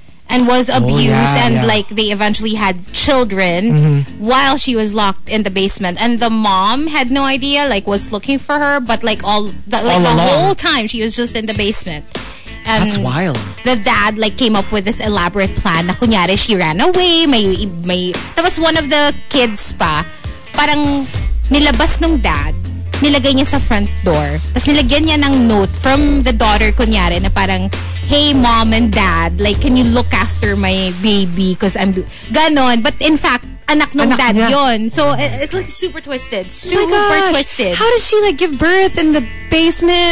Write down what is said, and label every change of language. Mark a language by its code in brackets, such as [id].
[en] And was abused like they eventually had children while she was locked in the basement. And the mom had no idea, like was looking for her, but like all along, whole time she was just in the basement. And that's wild. The dad like came up with this elaborate plan [tl] na kunyari [en] she ran away, may that was one of the kids pa. [tl] Parang nilabas ng dad, nilagay niya sa front door. Tapos nilagyan niya ng [en] note from the daughter [tl] kunyari na parang, [en] hey, mom and dad, like, can you look after my baby? Because I'm... Ganon. But in fact, [tl] anak dad niya. Yun. [en] So, it looks super twisted. Super twisted. How did she, like, give birth in the basement?